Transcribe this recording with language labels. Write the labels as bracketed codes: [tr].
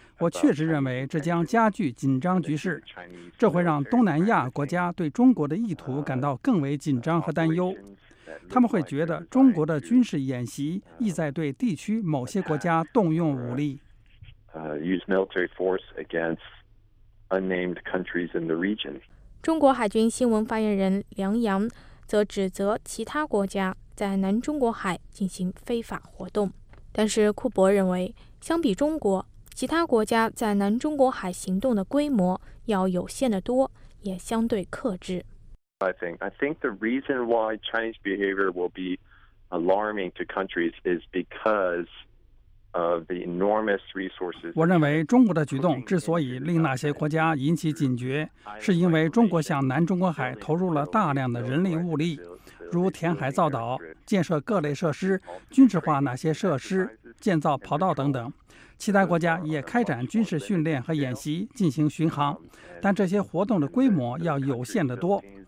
[zh] 我确实认为这将加剧紧张局势，这会让东南亚国家对中国的意图感到更为紧张和担忧。他们会觉得中国的军事演习意在对地区某些国家动用武力。 [en] Use military force against unnamed countries in the region. [zh] 中国海军新闻发言人梁洋则指责其他国家在南中国海进行非法活动。但是库伯认为，相比中国，其他国家在南中国海行动的规模要有限得多，也相对克制。 [en] I think the reason why Chinese behavior will be alarming to countries is because of the enormous resources. [zh] 我认为中国的举动之所以令那些国家引起警觉，是因为中国向南中国海投入了大量的人力物力，如填海造岛、建设各类设施、军事化哪些设施、建造跑道等等。其他国家也开展军事训练和演习，进行巡航，但这些活动的规模要有限得多。